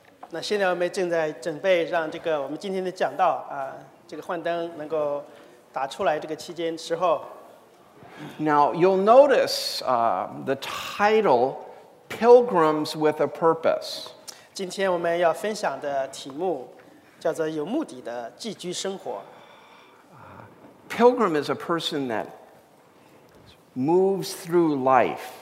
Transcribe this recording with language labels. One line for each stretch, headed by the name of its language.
Chinese: 那现在我们正在准备让这个我们今天的讲道啊，这个幻灯能够打出来这个期间时候。
English: Now you'll notice the title, Pilgrims with a Purpose.
Chinese: 今天我们要分享的题目叫做有目的的寄居生活。
English: Pilgrim is a person that moves through life.